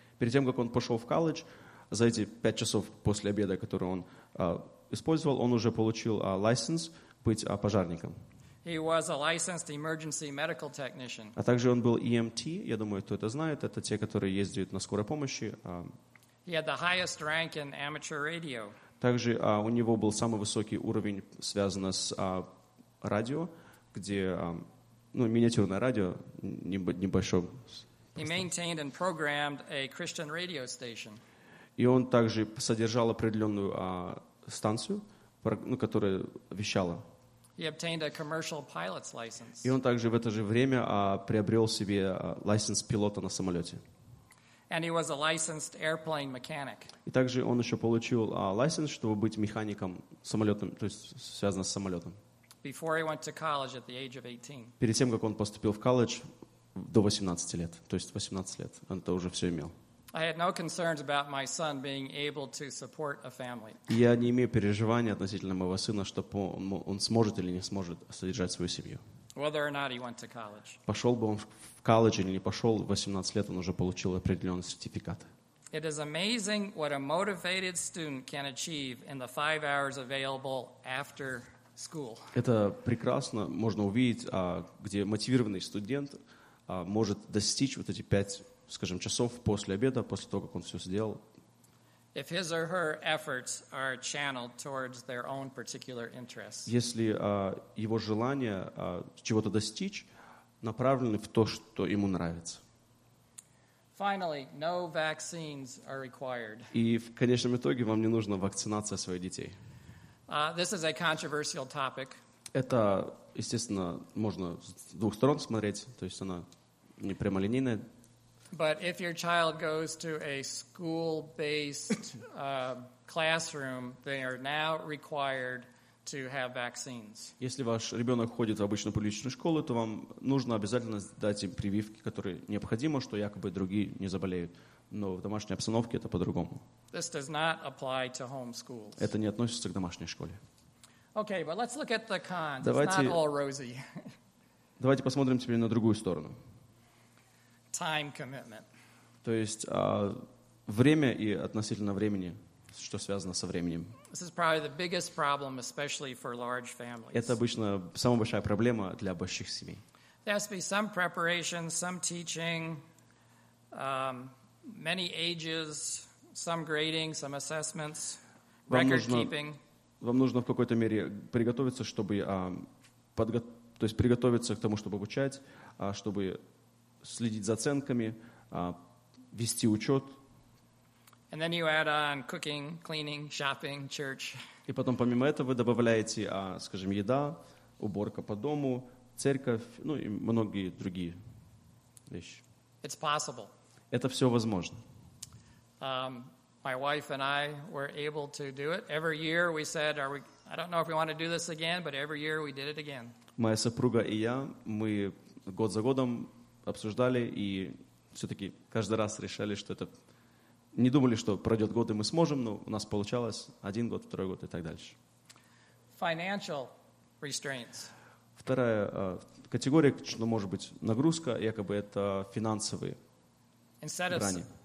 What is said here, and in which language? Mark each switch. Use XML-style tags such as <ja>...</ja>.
<ru>Перед тем, как он пошел в колледж, за эти 5 часов после обеда, которые он использовал, он уже получил лиценз быть пожарником.</ru> <en>He was a licensed emergency medical technician.</en> <ru>А также он был EMT, я думаю, кто это знает, это те, которые ездят на скорой помощи.</ru> <en>He had the highest rank in amateur radio.</en> <ru>Также у него был самый высокий уровень, связанный с радио, где, ну, миниатюрное радио, небольшое.</ru> <en>He maintained and programmed a Christian radio station.</en> <ru>И он также содержал определенную станцию, ну, которая вещала.</ru> <en>He obtained a commercial pilot's license.</en> <ru>И он также в это же время приобрел себе лиценз пилота на самолете.</ru> <en>And he was a licensed airplane mechanic.</en> <ru>И также он еще получил лиценз, чтобы быть механиком самолетом, то есть связанным с самолетом.</ru> <en>Before he went to college at the age of 18.</en> <ru>Перед тем, как он поступил в колледж до 18 лет, то есть 18 лет, он это уже все имел.</ru> <en>I had no concerns about my son being able to support a family.</en> <ru>Я не имею переживаний относительно моего сына, что он сможет или не сможет содержать свою семью.</ru> <en>Whether or not he went to college.</en> <ru>Пошел бы он в колледж или не пошел, в 18 лет он уже получил определенные сертификаты.</ru> <en>It is amazing what a motivated student can achieve in the 5 hours available after school.</en> <ru>Это прекрасно, можно увидеть, где мотивированный студент может достичь вот эти 5 часов. Скажем, часов после обеда, после того, как он все сделал.</ru> <en>If his or her efforts are channeled towards their own particular interests.</en> <ru>Если его желание чего-то достичь направлены в то, что ему нравится.</ru> <en>Finally, no vaccines are required.</en> <ru>И в конечном итоге вам не нужна вакцинация своих детей.</ru> <en>This is a controversial topic.</en> <ru>Это, естественно, можно с двух сторон смотреть, то есть она не прямолинейная.</ru> <en>But if your child goes to a school-based classroom, they are now required to have vaccines.</en> <ru>Если ваш ребенок ходит в обычную публичную школу, то вам нужно обязательно дать им прививки, которые необходимы, что якобы другие не заболеют. Но в домашней обстановке это по-другому.</ru> <en>This does not apply to home schools.</en> <ru>Это не относится к домашней школе.</ru> <en>Okay, but let's look at the cons.</en> <ru>Давайте,</ru> <en>it's not all rosy.</en> <ru>Давайте посмотрим теперь на другую сторону.</ru> <en>Time commitment.</en> <ru>То есть время и относительно времени, что связано со временем.</ru> <en>This is probably the biggest problem, especially for large families.</en> <ru>Это обычно самая большая проблема для больших семей.</ru> <en>There has to be some preparation, some teaching, many ages, some grading, some assessments, record-keeping.</en> <ru>Вам нужно в какой-то мере приготовиться, чтобы то есть приготовиться к тому, чтобы обучать, чтобы следить за оценками, вести учет.</ru> <en>And then you add on cooking, cleaning, shopping, church.</en> <ru>И потом помимо этого вы добавляете, скажем, еда, уборка по дому, церковь, ну и многие другие вещи.</ru> <en>It's possible.</en> <ru>Это все возможно.</ru> <en>My wife and I were able to do it. Every year we said, I don't know if we want to do this again, but every year we did it again.</en> <ru>Моя супруга и я, мы год за годом обсуждали и все-таки каждый раз решали, что это... Не думали, что пройдет год, и мы сможем, но у нас получалось один год, второй год и так дальше.</ru> <en>Financial restraints.</en> <ru>Вторая категория, что может быть нагрузка, якобы это финансовые грани.</ru>